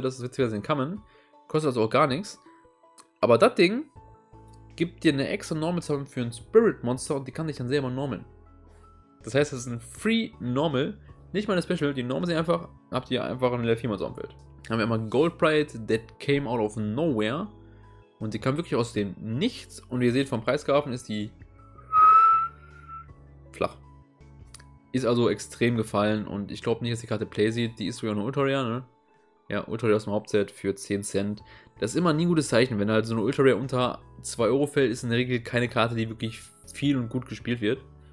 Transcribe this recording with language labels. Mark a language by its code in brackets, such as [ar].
[de] Das wird wieder sehen kommen. Kostet also auch gar nichts. Aber das Ding gibt dir eine extra Normal Summon für ein Spirit Monster und die kann dich dann selber normeln. Das heißt, das ist ein Free Normal. Nicht mal eine Special. Die Normal sind einfach. Habt ihr einfach ein Level 4 Monster im Feld. Dann haben wir einmal Gold Pride. [en] That came out of nowhere. [de] Und die kam wirklich aus dem Nichts. Und wie ihr seht, vom Preisgrafen ist die flach. Ist also extrem gefallen. Und ich glaube nicht, dass die Karte Play sieht. Die ist sogar eine Ultra Rare, ne? Ja, Ultra Rare aus dem Hauptset für 10 Cent. Das ist immer nie ein gutes Zeichen. Wenn halt so eine Ultra Rare unter 2 Euro fällt, ist in der Regel keine Karte, die wirklich viel und gut gespielt wird.